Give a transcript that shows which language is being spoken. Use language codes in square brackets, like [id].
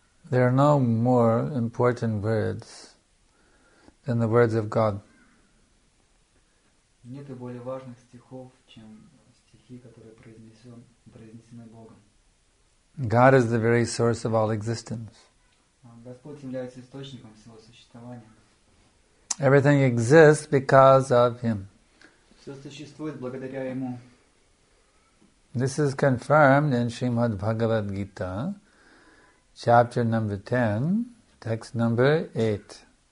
[en] There are no more important words than the words of God. [ru] Нет и более важных стихов, чем стихи, которые произнесены Богом. [en] God is the very source of all existence. [ru] Господь является источником всего существования. [en] Everything exists because of Him. [ru] Все существует благодаря Ему. [en] This is confirmed in Srimad Bhagavad Gita, chapter number 10, text number 8.